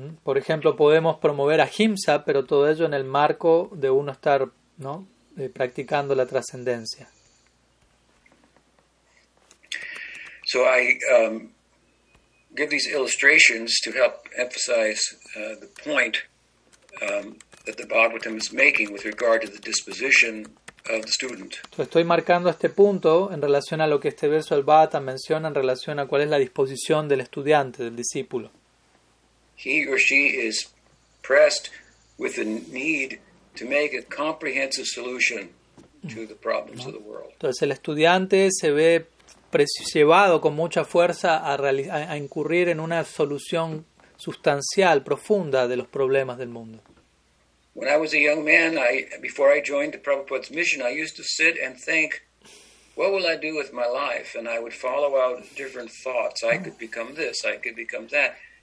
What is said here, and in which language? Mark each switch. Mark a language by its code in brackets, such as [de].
[es] Por ejemplo, podemos promover ahimsa, pero todo ello en el marco de uno estar, ¿no?, practicando la trascendencia. [en] So I give these illustrations to help emphasize the point that the Bhagavatam is making with regard to the disposition of the student. [es] Entonces estoy marcando este punto en relación a lo que este verso del Bhagavatam menciona en relación a cuál es la disposición del estudiante, del discípulo. [en] He or she is pressed with the need to make a comprehensive solution to the problems of the world. [es] Entonces el estudiante se ve llevado con mucha fuerza a incurrir en una solución sustancial, profunda de los problemas del mundo. [en] When I was a young man, before I joined the Prabhupada's mission, I used to sit and think, what will I do with my life? And I would follow out different thoughts. I could become this, I could become that.